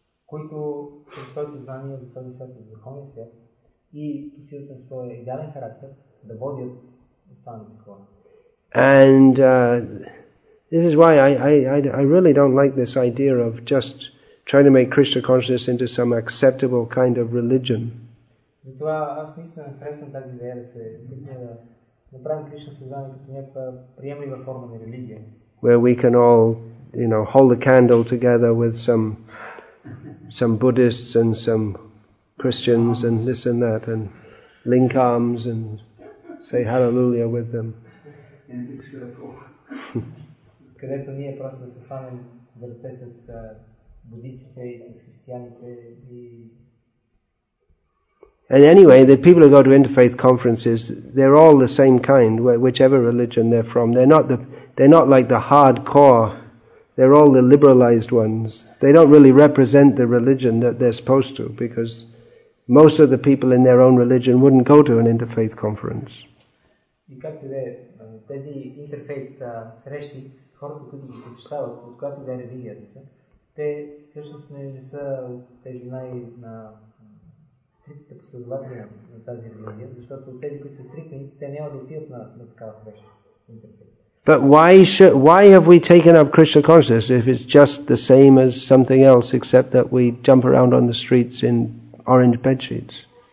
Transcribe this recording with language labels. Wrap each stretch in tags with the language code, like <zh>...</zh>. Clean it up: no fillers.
<bg>По своето знание за този свят, за духовния свят и по силата на своя идеален характер да водят останалите хора.</bg> <en>And this is why I really don't like this idea of just trying to make Krishna consciousness into some acceptable kind of religion.</en> <bg>Затова аз наистина не харесвам тази идея да се направим Кришна съзнание като някаква приемлива форма на религия.</bg> <en>Where we can all, you know, hold a candle together with some Buddhists and some Christians and this and that, and link arms and say hallelujah with them. In a big circle. Where we just hold hands with Buddhists and Christians. And anyway, the people who go to interfaith conferences, they're all the same kind, whichever religion they're from. They're not like the hardcore. They're all the liberalized ones. They don't really represent the religion that they're supposed to, because most of the people in their own religion wouldn't go to an interfaith conference.</en> <bg>И както де, тези интерфейт срещи, хората, които ги посещават, от която де религията са, те всъщност не са тези най-стриктните последователи на тази религия, защото тези, които са стриктни, те няма да отидат на такава среща.</bg> <en>But why have we taken up Krishna consciousness if it's just the same as something else, except that we jump around on the streets in orange bedsheets?</en>